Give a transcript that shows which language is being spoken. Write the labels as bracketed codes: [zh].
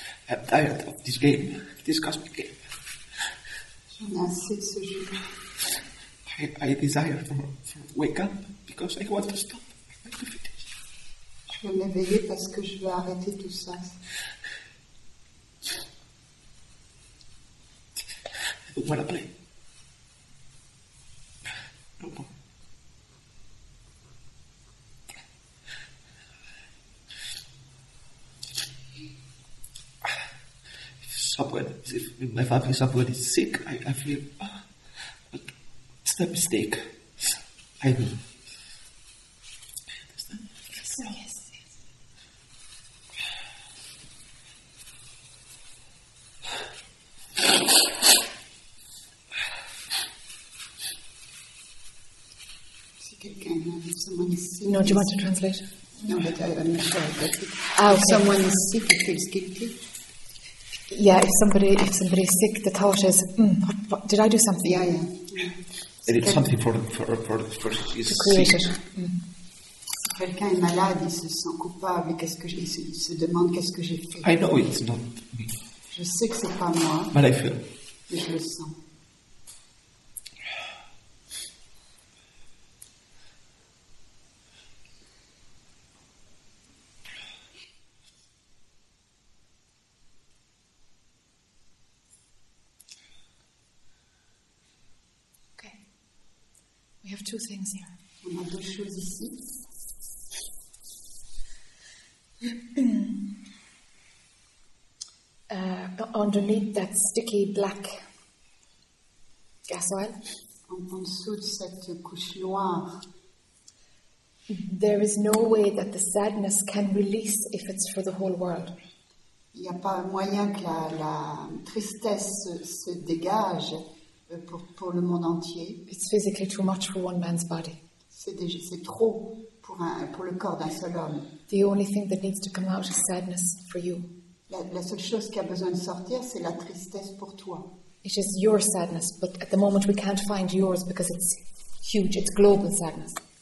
[en] I'm tired of this game. This cosmic game. [fr] J'en ai assez de ce jeu. [en] I desire to wake up because I want to stop. I want to finish. [fr] Je veux m'éveiller parce que je veux arrêter tout ça. [en] I don't want to play. No more. Someone, if in my family someone is sick, I feel, it's a mistake. I will. No, do you want to translate? No, but I'm not sure. Okay. If someone is sick, it feels guilty. Yeah, if somebody's sick, the thought is, what, did I do something? Yeah, yeah. Mm. And it's something for the person who is sick. To create it. [fr] Si quelqu'un est malade, il se sent coupable, qu'est-ce que j'ai, il se demande qu'est-ce que j'ai fait. [en] I know it's not me. [fr] Je sais que c'est pas moi. [en] But I feel. [fr] Mais je le sens. [en] have two things here. [fr] On a deux choses ici. [en] Underneath that sticky black gas oil, [fr] en dessous de cette couche noire, [en] there is no way that the sadness can release if it's for the whole world. [fr] Il n'y a pas moyen que la tristesse se dégage pour le monde entier. [en] It's physically too much for one man's body. [fr] C'est trop pour le corps d'un seul homme. [en] The only thing that needs to come out is sadness for you. [fr] La seule chose qui a besoin de sortir, c'est la tristesse pour toi. [en] It is your sadness, but at the moment we can't find yours because it's huge, it's global sadness.